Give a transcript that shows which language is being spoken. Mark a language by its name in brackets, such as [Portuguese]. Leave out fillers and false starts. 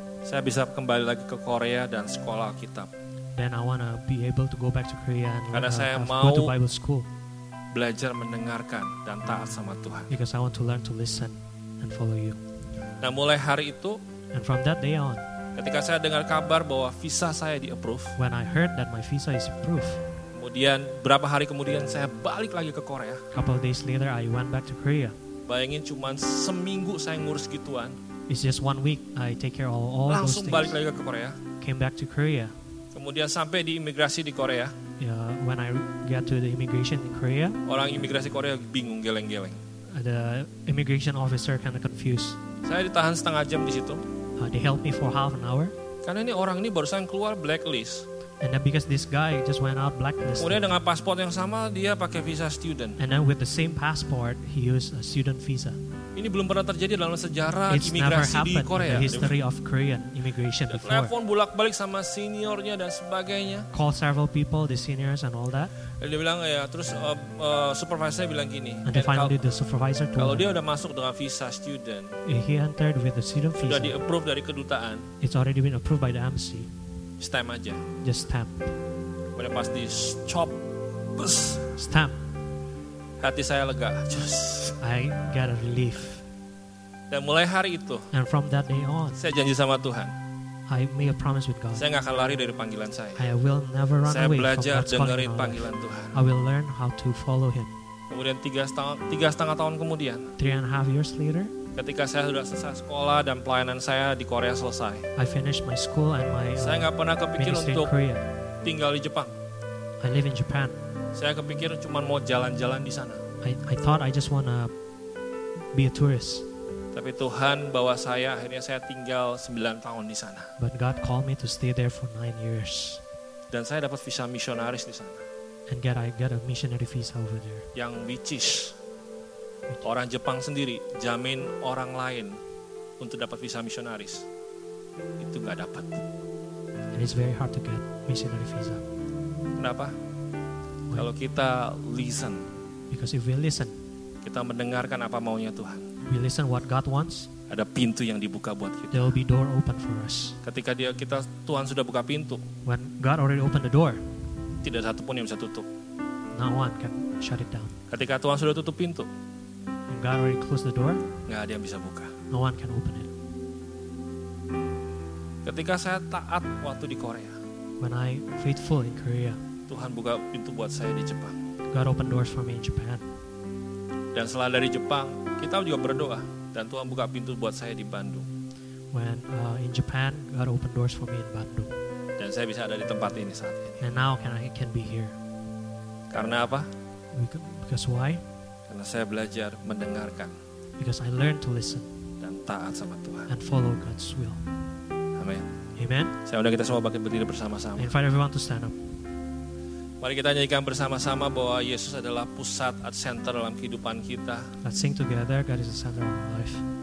[Indonesian] saya bisa kembali lagi ke Korea dan sekolah Alkitab. [English] Then I wanna be able to go back to Korea and [Indonesian] karena saya [English] go to Bible school. [Indonesian] Belajar mendengarkan dan taat sama Tuhan. [English] Because I want to learn to listen and follow you. [Indonesian] Nah, mulai hari itu, [English] and from that day on, [Indonesian] ketika saya dengar kabar bahwa visa saya di approve, [English] when I heard that my visa is approved, [Indonesian] kemudian berapa hari kemudian saya balik lagi ke Korea. [English] Couple days later, I went back to Korea. [Indonesian] Bayangin cuma seminggu saya ngurus gituan. [English] It's just one week I take care of all [Indonesian] langsung [English] those things. [Indonesian] Balik lagi ke Korea. [English] Came back to Korea. [Indonesian] Kemudian sampai di imigrasi di Korea. [English] Yeah, when I get to the immigration in Korea. [Indonesian] Orang imigrasi Korea bingung, geleng-geleng. [English] The immigration officer kind of confused. [Indonesian] Saya ditahan setengah jam di situ. [English] They help me for half an hour. [Indonesian] Karena ini orang ini barusan keluar blacklist. [English] And then because this guy just went out blacklist. [Indonesian] Kemudian dengan paspor yang sama dia pakai visa student. [English] And then with the same passport he used a student visa. [Indonesian] Ini belum pernah terjadi dalam sejarah [English] It's [Indonesian] imigrasi [English] never happened [Indonesian] di Korea. [English] In the history of Korean immigration [Indonesian] telepon [English] before. [Indonesian] Telepon bolak-balik sama seniornya dan sebagainya. [English] Call several people, the seniors and all that. [Indonesian] Dia bilang ya, terus supervisornya bilang gini. [English] And finally the supervisor told. [Indonesian] Kalau dia udah masuk dengan visa student. [English] He entered with the student visa. [Indonesian] Sudah di approve dari kedutaan. [English] It's already been approved by the embassy. [Indonesian] Stamp aja. [English] Just stamp. [Indonesian] Kemudian pas di chop, bus. [English] Stamp. [Indonesian] Hati saya lega. [English] I got a relief. [Indonesian] Dan mulai hari itu. [English] And from that day on. [Indonesian] Saya janji sama Tuhan. [English] I made a promise with God. [Indonesian] Saya enggak akan lari dari panggilan saya. [English] I will never run [Indonesian] saya [English] away. [Indonesian] Saya belajar dengerin panggilan Tuhan. [English] I will learn how to follow him. [Indonesian] Kemudian 3,5 tahun kemudian. [English] 3.5 years later. [Indonesian] Ketika saya sudah selesai sekolah dan pelayanan saya di Korea selesai. [English] I finished my school and my [Indonesian] saya enggak pernah kepikir untuk tinggal di Jepang. [English] I live in Japan. [Indonesian] Saya kepikir cuma mau jalan-jalan di sana. [English] I thought I just wanna be a tourist. [Indonesian] Tapi Tuhan bawa saya, akhirnya saya tinggal 9 tahun di sana. [English] But God called me to stay there for 9 years. [Indonesian] Dan saya dapat visa misionaris di sana. [English] And I got a missionary visa over there. [Indonesian] Yang [English] which is [Indonesian] orang Jepang sendiri jamin orang lain untuk dapat visa misionaris itu enggak dapat. [English] And it's very hard to get missionary visa. [Indonesian] Kenapa? [English] Why? [Indonesian] Kalau kita listen. [English] Because if we listen, [Indonesian] kita mendengarkan apa maunya Tuhan. [English] We listen what God wants. [Indonesian] Ada pintu yang dibuka buat kita. [English] There will be door open for us. [Indonesian] Ketika Tuhan sudah buka pintu. [English] When God already opened the door. [Indonesian] Tidak satu pun yang bisa tutup. [English] No one can shut it down. [Indonesian] Ketika Tuhan sudah tutup pintu. [English] When God already closed the door. [Indonesian] Enggak ada yang bisa buka. [English] No one can open it. [Indonesian] Ketika saya taat waktu di Korea. [English] When I faithful in Korea. [Indonesian] Tuhan buka pintu buat saya di Jepang. [English] God opened doors for me in Japan. [Indonesian] Dan setelah dari Jepang, kita juga berdoa dan Tuhan buka pintu buat saya di Bandung. [English] When in Japan, God opened doors for me in Bandung. [Indonesian] Dan saya bisa ada di tempat ini saat ini. [English] And now can be here. [Indonesian] Karena apa? [English] Because why? [Indonesian] Karena saya belajar mendengarkan. [English] Because I learned to listen. [Indonesian] Dan taat sama Tuhan. [English] And follow God's will. [Indonesian] Amin. [English] Amen. [Indonesian] Saya undang kita semua bangkit berdiri bersama-sama. [English] I invite everyone to stand up. [Indonesian] Mari kita nyanyikan bersama-sama bahwa Yesus adalah pusat [English] at center [Indonesian] dalam kehidupan kita. [English] Let's sing together, God is the center of our life.